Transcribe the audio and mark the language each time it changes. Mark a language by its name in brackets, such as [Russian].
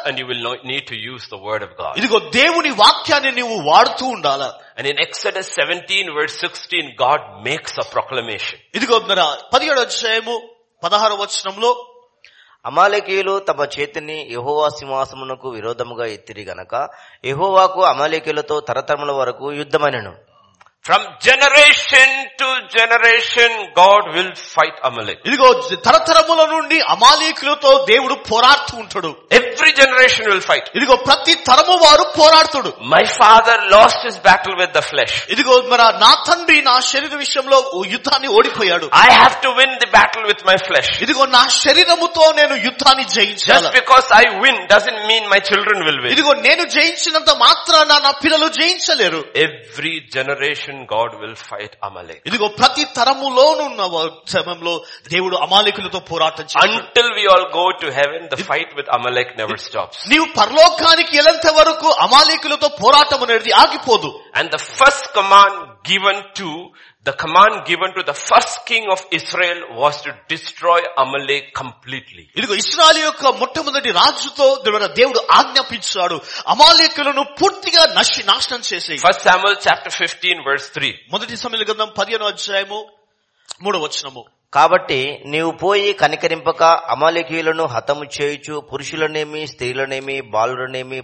[English] And you will need to use the word of God. [Telugu] ఇదిగో దేవుని వాక్యాన్ని నీవు వాడుతూ ఉండాలి. [English] And in Exodus 17 verse 16 God makes a proclamation. [Telugu] ఇదిగో మన 17వ అధ్యాయము 16వ వచనములో అమాలేకీయులు తమ చేతిని యెహోవా సింహాసనమునకు విరోధముగా ఎత్తిరి గనక యెహోవాకు అమాలేకీయులతో తరతరముల వరకు యుద్ధమనెను. [English] From generation to generation God will fight Amalek. [Telugu] ఇదిగో తరతరముల నుండి అమాలేకులతో దేవుడు పోరాడుతూ ఉంటాడు. [English] Every generation will fight. [Telugu] ఇదిగో ప్రతి తరము వారు పోరాడుతాడు. [English] My father lost his battle with the flesh. [Telugu] ఇదిగో మరి నా తండ్రి నా శరీర విషయంలో యుద్ధాన్ని ఓడిపోయాడు. [English] I have to win the battle with my flesh. [Telugu] ఇదిగో నా శరీరముతో నేను యుద్ధాన్ని జయించాలి. [English] Just because I win doesn't mean my children will win. [Telugu] ఇదిగో నేను జయించినంత మాత్రాన నా పిల్లలు జయించలేరు. [English] Every generation God will fight Amalek. [Telugu] ఇదిగో ప్రతి తరములో ఉన్న సమయంలో దేవుడు అమాలేకులతో పోరాటం చేస్తాడు. [English] Until we all go to heaven, the fight with Amalek never stops. [Telugu] నీవు పరలోకానికి వెళ్ళేంత వరకు అమాలేకులతో పోరాటం అనేది ఆగిపోదు. [English] And the first command given to the first king of Israel was to destroy Amalek completely. [Telugu] ఇదిగో ఇశ్రాయేలు యొక్క మొట్టమొదటి రాజుతో దేవుడు ఆజ్ఞాపించాడు అమాలేకులను పూర్తిగా నాశనం చేసేయి. [English] 1 Samuel chapter 15 verse 3. [Telugu] మొదటి సమయ గ్రంథం 15వ అధ్యాయము 3వ వచనము. కాబట్టి నీవు పోయి కనికరింపక అమలేకీయులను హతము చేయుచు పురుషులనేమి స్త్రీలనేమి బాలురనేమి